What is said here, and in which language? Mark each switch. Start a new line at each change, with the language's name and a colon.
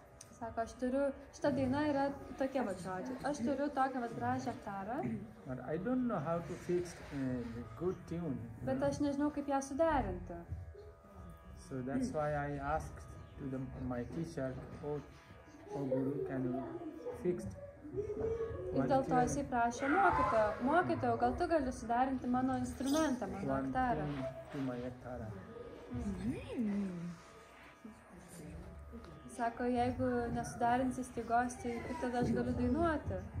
Lithuanian: Sako, aš turiu, šita daina yra tokia va žodžiu. Aš turiu tokią va gražią ektarą.
English: I don't know how to fix good tune.
Lithuanian: Bet aš nežinau kaip ją suderinti.
English: So that's why I asked to the my teacher, oh guru, can you fix it?
Lithuanian: Ir dėl to jisai prašė mokytojo, gal tu gali suderinti mano instrumentą, mano ektarą.
English: One tune to my ektarą.
Lithuanian: Sako, jeigu nesuderinsi stygos, tai tada aš galiu dainuoti.